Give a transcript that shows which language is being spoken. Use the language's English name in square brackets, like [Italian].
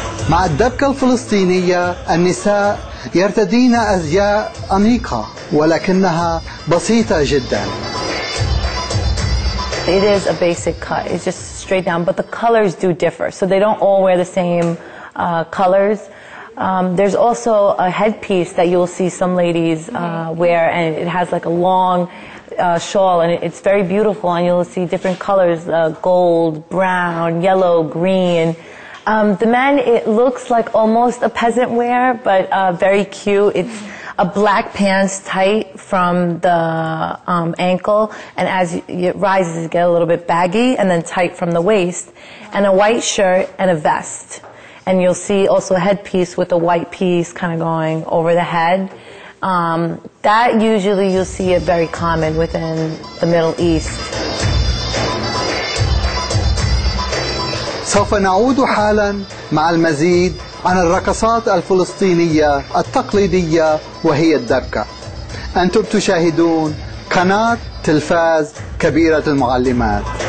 [Arabic] مع الدبكة الفلسطينية النساء يرتدين أزياء أنيقة ولكنها بسيطة جدا. [English] It is a basic cut. It's just straight down, but the colors do differ. So they don't all wear the same colors. There's also a headpiece that you'll see some ladies wear, and it has like a long shawl, and it's very beautiful, and you'll see different colors, gold, brown, yellow, green. The man, it looks like almost a peasant wear, but very cute. It's a black pants tight from the ankle, and as it rises, it gets a little bit baggy, and then tight from the waist, and a white shirt and a vest. And you'll see also a headpiece with a white piece kind of going over the head. That usually you'll see it very common within the Middle East. [Arabic] سوف نعود حالا مع المزيد عن الرقصات الفلسطينية التقليدية وهي الدبكة. أنتم تشاهدون قناة تلفاز كبيرة المعلمات.